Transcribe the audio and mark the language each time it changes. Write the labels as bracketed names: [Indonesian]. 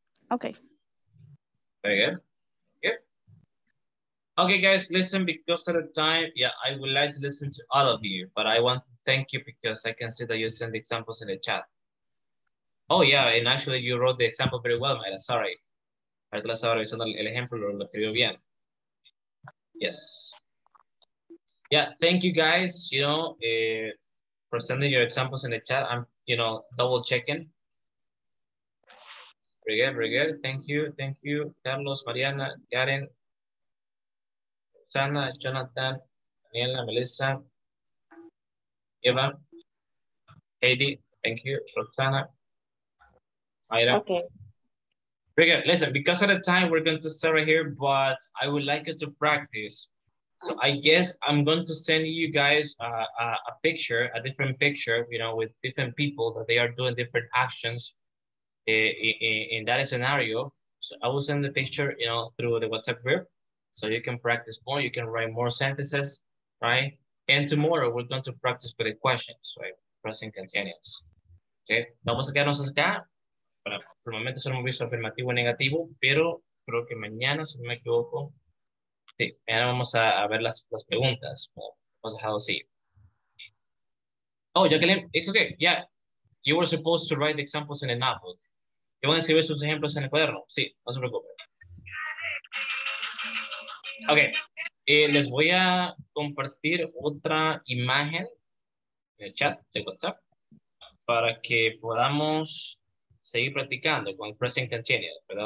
[English] Okay. Very good. Yeah. Okay, guys, listen, because of the time, yeah, I would like to listen to all of you, but I want to thank you because I can see that you send examples in the chat. Oh, yeah, and actually you wrote the example very well, Mayra. Sorry. [Spanish] Ahorita estaba revisando el ejemplo, lo escribió bien. [English] Yes. Yeah, thank you guys, you know, for sending your examples in the chat. I'm, you know, double checking. Very good, very good. Thank you, Carlos, Mariana, Karen, Sana, Jonathan, Daniela, Melissa, Eva, Heidi, thank you, Roxana. Ira. Okay. Very good. Listen, because of the time, we're going to start right here, but I would like you to practice. So I guess I'm going to send you guys a picture, a different picture, you know, with different people that they are doing different actions in that scenario. So I will send the picture, you know, through the WhatsApp group so you can practice more. You can write more sentences, right? And tomorrow we're going to practice with the questions, right? Pressing continuous. Okay. [Spanish] Vamos a quedarnos acá. Para, por el momento solo hemos visto afirmativo y negativo, pero creo que mañana, si no me equivoco, sí, mañana vamos a ver las preguntas. Vamos a dejarlo así. Oh, Jacqueline, [English] it's okay. Yeah, you were supposed to write the examples in a notebook. [Spanish] ¿Qué van a escribir sus ejemplos en el cuaderno? Sí, no se preocupe. Ok, les voy a compartir otra imagen en el chat de WhatsApp para que podamos seguir practicando con present continuous, ¿verdad?